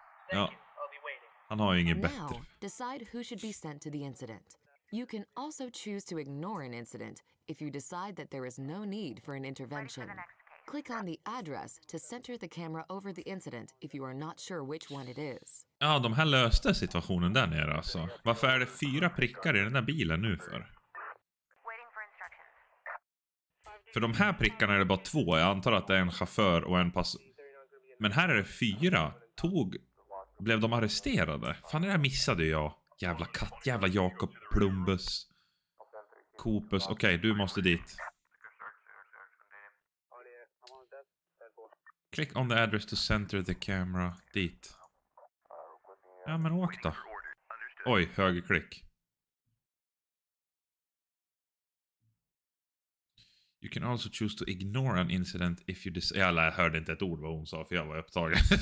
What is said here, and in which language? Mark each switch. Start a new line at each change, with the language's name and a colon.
English: Thank you.
Swedish: Han har ju inget
English: now,
Swedish: bättre.
English: Decide who should be sent to the incident. You can also choose to ignore an incident if you decide that there is no need for an intervention. Click on the address to center the camera over the incident if you are not sure which one it is.
Swedish: Ja, de här löste situationen där nere alltså. Varför är det fyra prickar i den där bilen nu för?
English: Waiting for instructions.
Swedish: För de här prickarna är det bara två. Jag antar att det är en chaufför och en pass... Men här är det fyra. Tåg... Blev de arresterade? Fan, det här missade jag. Jävla katt, jävla Jakob Plumbus. Copus. Okej, okay, du måste dit.
English: Click on the address to center the camera.
Swedish: Dit. Ja, men åk då. Oj, högerklick.
English: You can also choose to ignore an incident if you decide...
Swedish: Jävlar, jag hörde inte ett ord vad hon sa, för jag var upptagen.